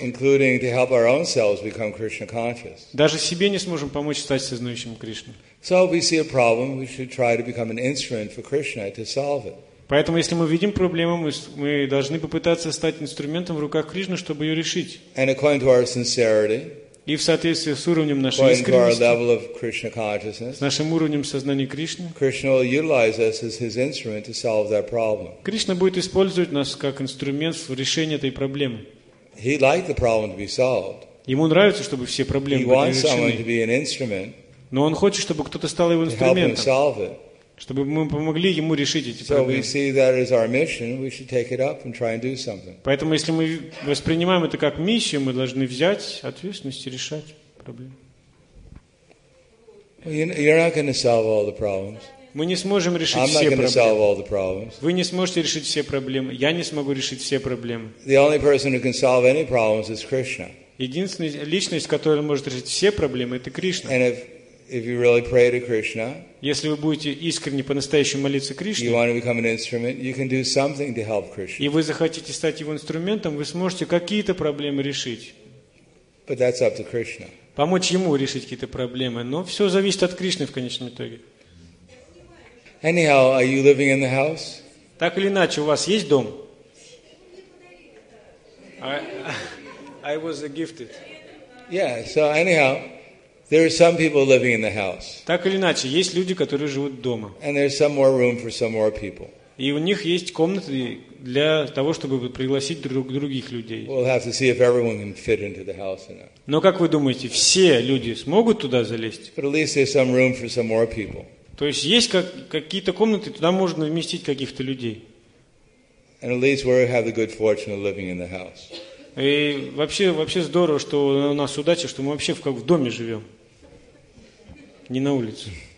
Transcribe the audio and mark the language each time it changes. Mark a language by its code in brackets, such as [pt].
[en] including to help our own selves become Krishna conscious. [ru] Даже себе не сможем помочь стать сознающим Кришну. [en] So if we see a problem, we should try to become an instrument for Krishna to solve it. [ru] Поэтому, если мы видим проблему, мы должны попытаться стать инструментом в руках Кришны, чтобы ее решить. [en] And according to our sincerity, [ru] и в соответствии с уровнем нашей искренности, [en] level of Krishna consciousness, [ru] с нашим уровнем сознания Кришны, [en] Krishna will utilize us as his instrument to solve that problem. [ru] Кришна будет использовать нас как инструмент в решении этой проблемы. [en] He'd like the problem to be solved. [ru] Ему нравится, чтобы все проблемы [en] He [ru] были [en] wants [ru] решены. [en] Someone to be an instrument, [ru] но он хочет, чтобы кто-то стал его инструментом, [en] to help him solve it. [ru] Чтобы мы помогли ему решить эти проблемы. [en] So we see that as our mission, we should take it up and try and do something. [ru] Поэтому, если мы воспринимаем это как миссию, мы должны взять ответственность и решать проблемы. [en] You're not going to solve all the problems. [ru] Мы не сможем решить [en] I'm [ru] все проблемы. [en] I'm not going to solve all the problems. [ru] Вы не сможете решить все проблемы. Я не смогу решить все проблемы. [en] The only person who can solve any problems is Krishna. [ru] Единственная личность, которая может решить все проблемы, это Кришна. [en] And if you really pray to Krishna, [ru] если вы будете искренне по-настоящему молиться Кришне, [en] you want to become an instrument, you can do something to help Krishna. [ru] И вы захотите стать его инструментом, вы сможете какие-то проблемы решить. [en] But that's up to Krishna. [ru] Помочь ему решить какие-то проблемы, но все зависит от Кришны в конечном итоге. [en] Anyhow, are you living in the house? [ru] Так или иначе, у вас есть дом? [en] I was gifted. Yeah, so anyhow, there are some people living in the house. [ru] Так или иначе, есть люди, которые живут дома. [en] And there's some more room for some more people. [ru] И у них есть комнаты для того, чтобы пригласить других людей. [en] We'll have to see if everyone can fit into the house or not. [ru] Но как вы думаете, все люди смогут туда залезть? [en] But at least there's some room for some more people. [ru] То есть есть какие-то комнаты, туда можно вместить каких-то людей. [en] And at least we have the good fortune of living in the house. [ru] И вообще здорово, что у нас удача, что мы вообще в доме живем, не на улице.